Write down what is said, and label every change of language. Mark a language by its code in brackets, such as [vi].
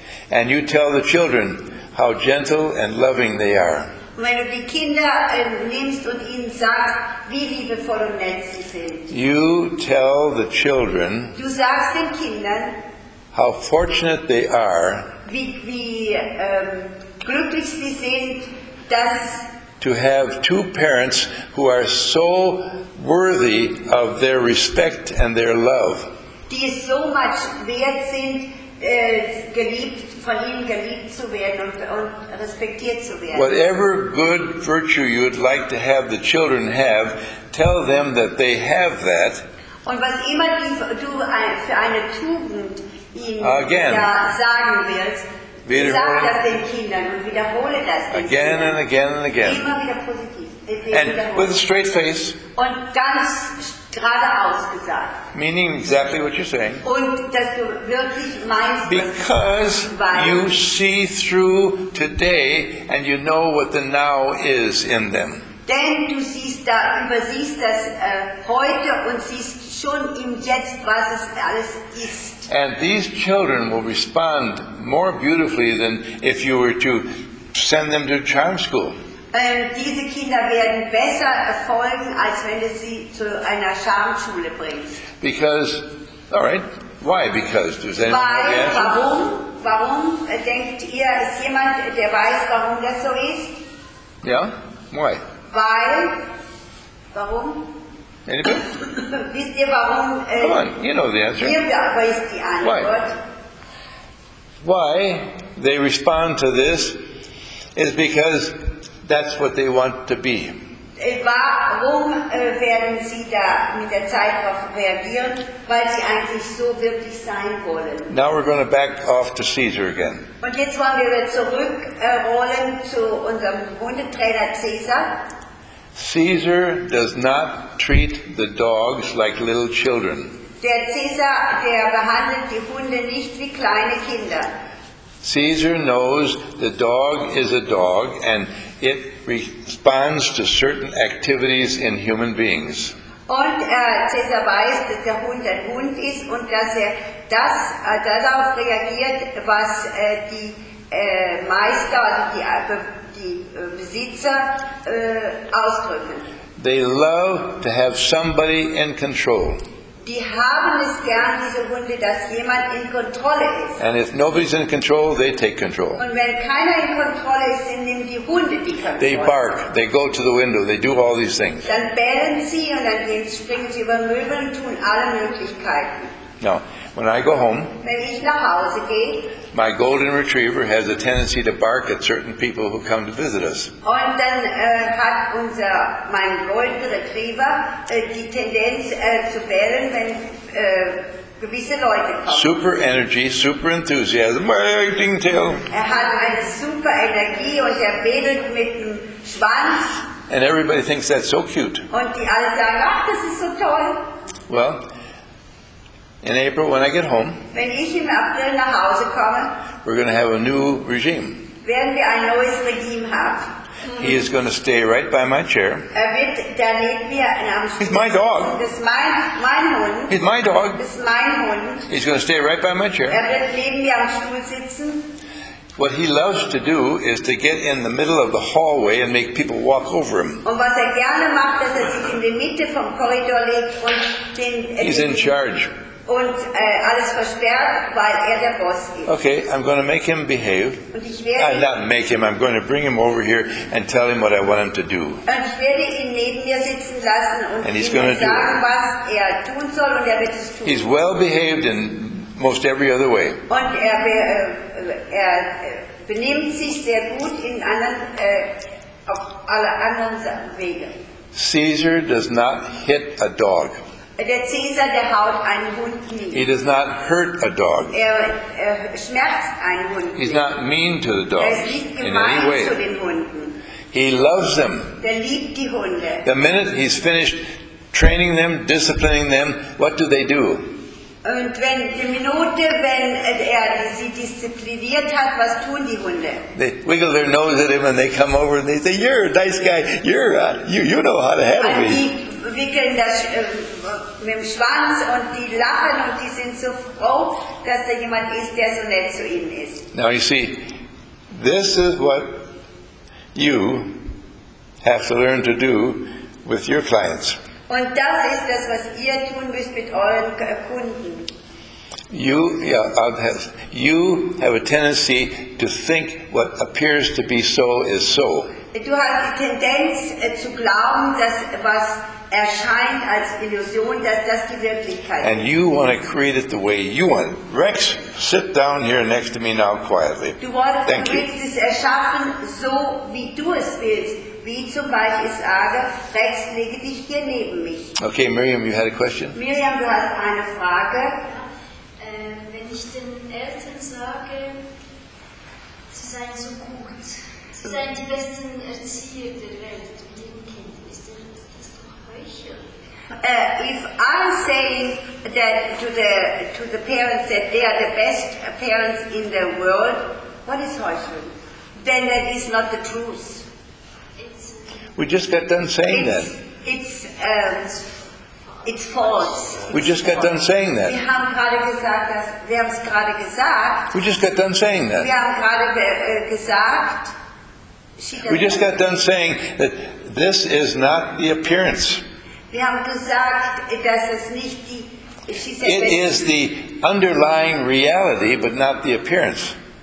[en] And you tell the children how gentle and loving they are. [de] Wenn du die Kinder nimmst und ihnen sagst, wie liebevoll und nett sie sind. [en] You tell the children. [de] Du sagst den Kindern. [en] How fortunate they are. [de] Wie glücklich sie sind, dass. [en] To have two parents who are so worthy of their respect and their love. [de] Die [en] so much [de] wert sind. Geliebt, von ihm geliebt zu werden und respektiert zu werden. [en] Whatever good virtue you would like to have the children have, tell them that they have that. [de] Und was immer du für eine Tugend ihnen ja sagen willst, sag das den Kindern und wiederhole das den Kindern. [en] Again and again and again. [de] Immer wieder positiv. [en] And with a straight face. [de] Und ganz geradeaus gesagt. [en] Meaning exactly what you're saying. [de] Und dass du wirklich meinst, [en] because you see through today and you know what the now is in them. [de] Denn du übersiehst das heute und siehst schon im Jetzt, was es alles ist. [en] And these children will respond more beautifully than if you were to send them to charm school. [de] Diese Kinder werden besser erfolgen, als wenn du sie zu einer Charmschule bringst. [en] Because, all right, why? Because, does anyone know the answer? [de] Warum? Denkt ihr, ist jemand, der weiß, warum das so ist? [en] Yeah, why? [de] Warum? [en] Anybody? [de] Wisst ihr, warum? [en] Come on, you know the answer. [de] Ihr weißt die Antwort. [en] Why they respond to this is because that's what they want to be. [de] Warum werden sie da mit der Zeit darauf reagieren? Weil sie eigentlich so wirklich sein wollen. [en] Now we're going to back off to Caesar again. [de] Und jetzt wollen wir wieder zurückrollen zu unserem Hundetrainer Caesar. [en] Caesar does not treat the dogs like little children. [de] Der Caesar, der behandelt die Hunde nicht wie kleine Kinder. [en] Caesar knows the dog is a dog and it responds to certain activities in human beings. [de] Und Caesar weiß, dass der Hund ein Hund ist und dass er das darauf reagiert, was die Meister, also die Besitzer ausdrücken. [en] They love to have somebody in control. [de] Die haben es gern, diese Hunde, dass jemand in Kontrolle ist. [en] And if nobody's in control, they take control. [de] Und wenn keiner in Kontrolle ist, dann nehmen die Hunde die Kontrolle. [en] They bark, they go to the window, they do all these things. [de] Dann bellen sie und dann springen sie über Möbel und tun alle Möglichkeiten. [en] Now, when I go home, [de] wenn ich nach Hause gehe, [en] my golden retriever has a tendency to bark at certain people who come to visit us. [de] Und dann hat unser mein golden retriever die Tendenz zu bellen, wenn gewisse Leute kommen. [en] Super energy, super enthusiasm. Ding tail. [de] Er hat eine super Energie und er bellt mit dem Schwanz. [en] And everybody thinks that's so cute. [de] Und die alle sagen, ach, das ist so toll. [en] Well. In April, when I get home, [de] wenn ich im April nach Hause komme, [en] we're going to have a new regime. [de] Werden wir ein neues Regime haben. [en] He is going to stay right by my chair. [de] Er wird da neben mir in einem Stuhl. [en] He's my dog. [de] Das ist mein Hund. [en] He's my dog. [de] Das ist mein Hund. [en] He's going to stay right by my chair. [de] Er wird neben mir am Stuhl sitzen. [en] What he loves to do is to get in the middle of the hallway and make people walk over him. [de] Und was er gerne macht, dass er sich in die Mitte vom Korridor legt und den. [en] He's in charge. [de] Und alles versperrt, weil der Boss ist. [en] Okay, I'm going to make him behave. [de] Und ich werde [en] not make him, I'm going to bring him over here and tell him what I want him to do. [de] Und ich werde ihn neben mir sitzen lassen und [en] and [de] ihm sagen, was tun soll, und wird es tun. [en] He's well behaved in most every other way. [de] Und er benimmt sich sehr gut in anderen, auf alle anderen Wege. [en] Caesar does not hit a dog. [de] Der Caesar, der haut einen Hund nicht. [en] He does not hurt a dog. [de] Er schmerzt einen Hund nicht. [en] He's not mean to the dogs. [de] Er ist nicht gemein [en] in any way. [de] Zu den Hunden. [en] He loves them. [de] Der liebt die Hunde. [en] The minute he's finished training them, disciplining them, what do? [de] Und wenn die Minute, wenn er sie diszipliniert hat, was tun die Hunde? [en] They wiggle their nose at him and they come over and they say, "You're a nice guy. You know how to handle me." [de] Wickeln das mit dem Schwanz und die lachen und die sind so froh, dass da jemand ist, der so nett zu ihnen ist. [en] Now you see, this is what you have to learn to do with your clients. [de] Und das ist das, was ihr tun müsst mit euren Kunden. [en] You have a tendency to think what appears to be so is so. [de] Du hast die Tendenz zu glauben, dass was erscheint als Illusion, dass das die Wirklichkeit ist. [en] And you want to create it the way you want. Rex, sit down here next to me now quietly. [de] Du wolltest, [en] thank you. [de] Du willst es erschaffen, so wie du es willst. Wie zum Beispiel ich sage, Rex, lege dich hier neben mich. [en] Okay, Miriam, you had a question? [de] Miriam, du hast eine Frage. Wenn ich den Eltern sage, sie seien so gut, sie seien die besten Erzieher der Welt. [en] If I say that to the parents that they are the best parents in the world, what is heuchelnd? Then that is not the truth. We just got done saying that. It's false. We just got done saying that. [de] Wir haben gerade gesagt, wir haben es gerade gesagt. [en] We just got done saying that. [de] Wir haben gerade gesagt. [en] We just got done saying that this is not the appearance. [de] Wir haben gesagt, dass es nicht die, [en] said, it is the underlying reality, but not the appearance.